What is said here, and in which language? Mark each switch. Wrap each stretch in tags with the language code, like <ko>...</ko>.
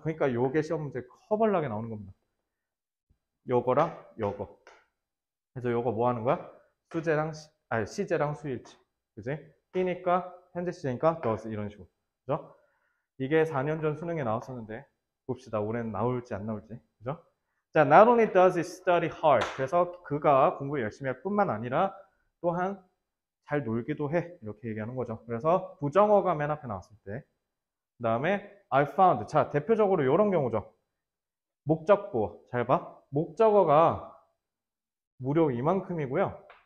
<ko>그러니까 요게 시험 문제 커벌나게 나오는 겁니다. 요거랑 요거. 그래서 요거 뭐 하는 거야? 시제랑 수일치. 그지? 끼니까, 현재 시제니까, 더스. 이런 식으로. 그죠? 이게 4년 전 수능에 나왔었는데, 봅시다. 올해는 나올지 안 나올지. 그죠?</ko> <en>자, not only does he study hard.</en> <ko>그래서 그가 공부를 열심히 할 뿐만 아니라, 또한 잘 놀기도 해. 이렇게 얘기하는 거죠. 그래서 부정어가 맨 앞에 나왔을 때. 그 다음에,</ko> <en>I found.</en> <ko>자, 대표적으로 이런 경우죠. 목적고. 잘 봐. 목적어가 무려 이만큼이고요.</ko>